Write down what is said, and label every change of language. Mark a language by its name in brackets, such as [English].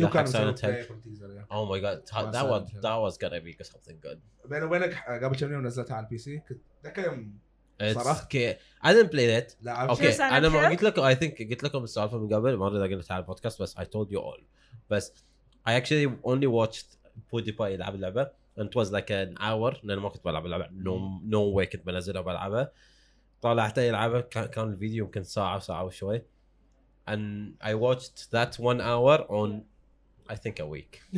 [English] Who comes out Oh my god, that was gonna be something good. [Arabic] بينه وبينك قبل كم يوم نزلتها على البي سي ذاك يوم صراحه [English] كي I didn't play that. Okay, [Arabic] أنا ما قلت لكم. I think قلت لكم السالفة من قبل. ما أدري إذا قلت على البودكاست بس [English] I told you all. بس I actually only watched PewDiePie يلعب اللعبة. And it was like an hour. [Arabic] أنا ما كنت بلعب اللعبة. [English] No way [Arabic] كنت بنزلها بلعبها. طلعت يلعبها كان الفيديو يمكن ساعة وشوي. [English] And I watched that 1 hour on I think a week.